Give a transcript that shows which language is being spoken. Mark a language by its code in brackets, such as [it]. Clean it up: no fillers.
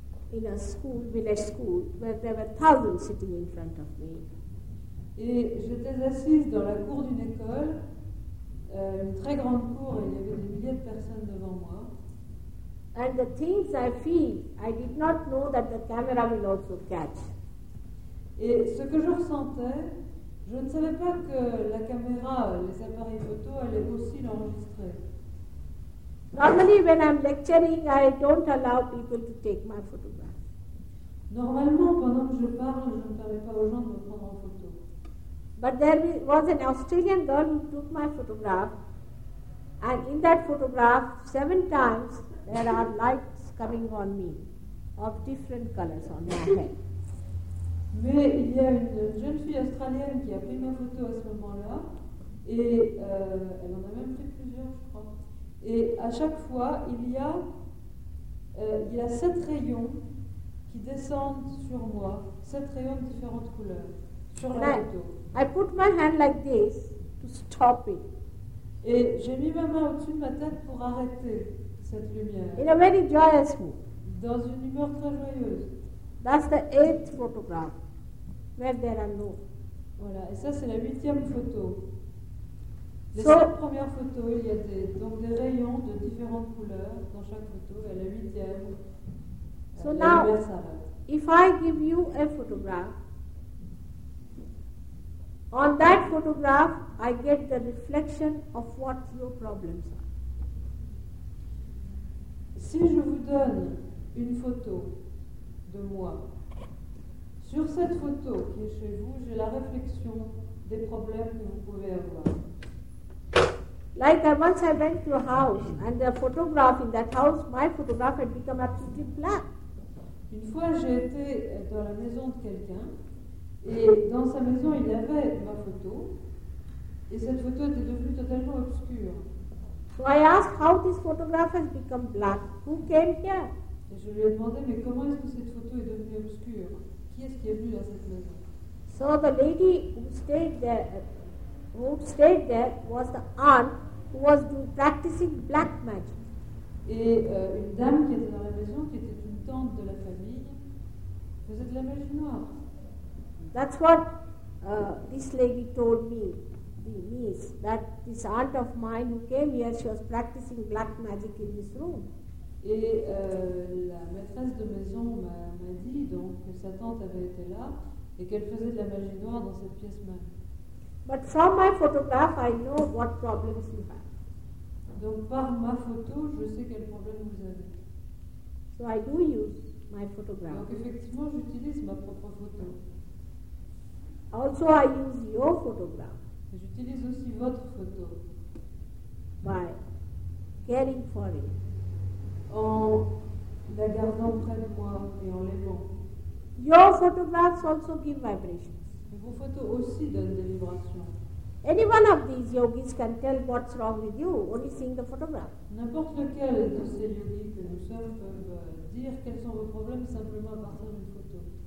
[en] In a school, village school, where there were thousands sitting in front of me. [fr] Et j'étais assise dans la cour d'une école, une très grande cour, et il y avait des milliers de personnes devant moi. [en] And the things I feel, I did not know that the camera will also catch. [fr] Et ce que je ressentais, je ne savais pas que la caméra, les appareils photo, allaient aussi l'enregistrer. [en] Normally, when I'm lecturing, I don't allow people to take my photograph. [fr] Normalement, pendant que je parle, je ne permets pas aux gens de me prendre en photo. [en] But there was an Australian girl who took my photograph, and in that photograph, 7 times there are lights coming on me of different colors on my head. [fr] Mais il y a une jeune fille australienne qui a pris ma photo à ce moment-là, et elle en a même pris plusieurs, je crois. Et à chaque fois, il y a 7 rayons qui descendent sur moi, 7 rayons de différentes couleurs sur la photo. [en] I put my hand like this to stop it. [fr] Et j'ai mis ma main au-dessus de ma tête pour arrêter cette lumière. [en] In a very joyous mood. [fr] Dans une humeur très joyeuse. [en] That's the 8th photograph where there are no. [fr] Voilà, et ça c'est la 8e photo. Les 7 premières photos, il y a des rayons de différentes couleurs dans chaque photo, et la 8e, so la lumière s'arrête. [en] If I give you a photograph, on that photograph, I get the reflection of what your problems are. [fr] Si je vous donne une photo de moi, sur cette photo qui est chez vous, j'ai la réflexion des problèmes que vous pouvez avoir. [en] Like once I went to a house and the photograph in that house, my photograph had become absolutely black. [fr] Une fois j'ai été dans la maison de quelqu'un et dans sa maison il avait ma photo et cette photo était devenue totalement obscure. [en] So I asked how this photograph has become black. Who came here? [fr] Et je lui ai demandé mais comment est-ce que cette photo est devenue obscure? Qui est-ce qui est venu dans cette maison? [en] So the lady who stayed there. Who stayed there was the aunt who was practicing black magic. [fr] Et une dame qui était dans la maison, qui était une tante de la famille, faisait de la magie noire. [en] That's what this lady told me, the niece, that this aunt of mine who came here, she was practicing black magic in this room. [fr] Et la maîtresse de maison m'a dit donc que sa tante avait été là et qu'elle faisait de la magie noire dans cette pièce même. [en] But from my photograph, I know what problems you have. [fr] Donc par ma photo, je sais quel problème vous avez. [en] So I do use my photograph. [fr] Donc effectivement, j'utilise ma propre photo. [en] Also, I use your photograph. [fr] J'utilise aussi votre photo. [en] by caring for it. [fr] En la gardant près de moi et en l'aimant. [en] Your photographs also give vibrations. [fr] Vos photos aussi donnent des vibrations. [en] Any one of these yogis can tell what's wrong with you only seeing the photograph. [fr] N'importe lequel de ces yogis que nous sommes peuvent dire quels sont vos problèmes simplement à partir d'une photo.